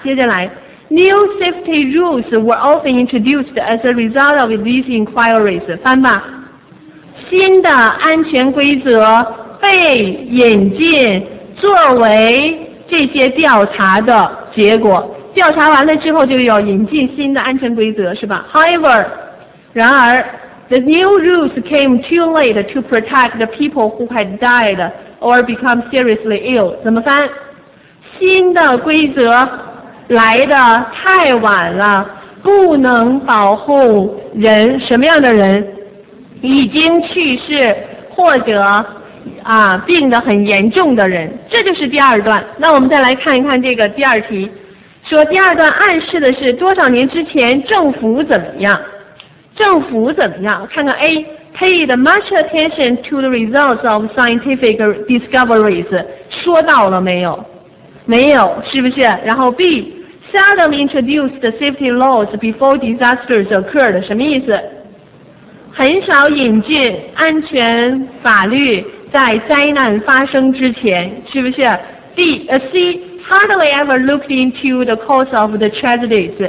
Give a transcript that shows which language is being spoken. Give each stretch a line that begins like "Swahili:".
Chinese: 接着来。
English: New safety rules were often introduced as a result of these inquiries.
Chinese: 翻吧，新的安全规则被引进作为这些调查的结果。调查完了之后就要引进新的安全规则是吧？
English: However,
Chinese: 然而
English: the new rules came too late to protect the people who had died or become seriously ill.
Chinese: 怎么翻？新的规则来的太晚了，不能保护人，什么样的人？已经去世或者啊病得很严重的人。这就是第二段。那我们再来看一看这个第二题，说第二段暗示的是多少年之前政府怎么样，政府怎么样。看看
English: A， paid much attention to the results of scientific discoveries，
Chinese: 说到了没有？没有，是不是？然后 B，
English: seldom introduced safety laws before disasters occurred，
Chinese: 什么意思？很少引进安全法律在灾难发生之前，是不是？
English: D, C, hardly ever looked into the cause of the tragedies.